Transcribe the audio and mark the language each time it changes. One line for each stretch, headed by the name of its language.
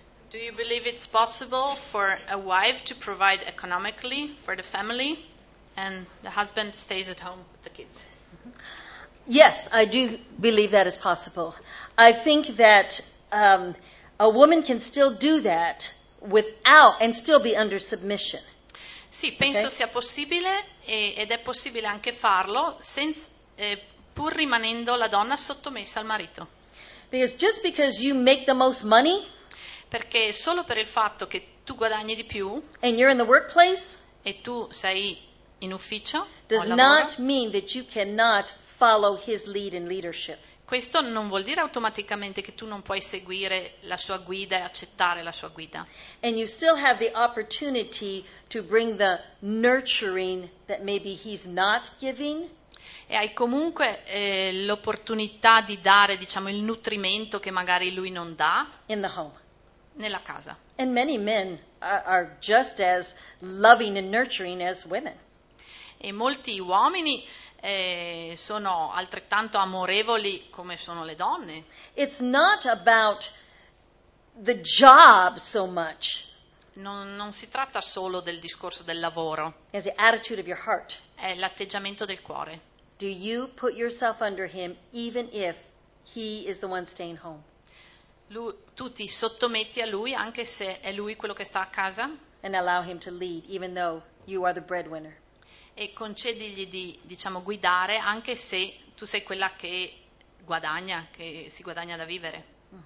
English: Do you believe it's possible for a wife to provide economically for the family and the husband stays at home with the kids? Yes, I do believe that is possible. I think that a woman can still do that without and still be under submission.
Italian: Sì, penso sia possibile ed è possibile anche farlo senza, pur rimanendo la donna sottomessa al marito.
English: Because just because you make the most money,
Italian: perché solo per il fatto che tu guadagni di più
English: and you're in the workplace,
Italian: e tu sei in ufficio,
English: does not mean that you cannot follow his lead in leadership.
Italian: Questo non vuol dire automaticamente che tu non puoi seguire la sua guida e accettare la sua guida.
English: And you still have the opportunity to bring the nurturing that maybe he's not giving.
Italian: E hai comunque l'opportunità di dare, diciamo, il nutrimento che magari lui non dà.
English: In the home.
Italian: Nella casa.
English: And many men are just as loving and nurturing as women.
Italian: E molti uomini sono altrettanto amorevoli come sono le donne.
English: It's not about the job so much.
Italian: Non si tratta solo del discorso del lavoro.
English: It's the attitude of your heart.
Italian: È l'atteggiamento del cuore.
English: Do you put yourself under him even if he is the one staying home?
Italian: Tu ti sottometti a lui anche se è lui quello che sta a casa?
English: And allow him to lead even though you are the breadwinner.
Italian: E concedigli di, diciamo, guidare anche se tu sei quella che guadagna, che si guadagna da vivere.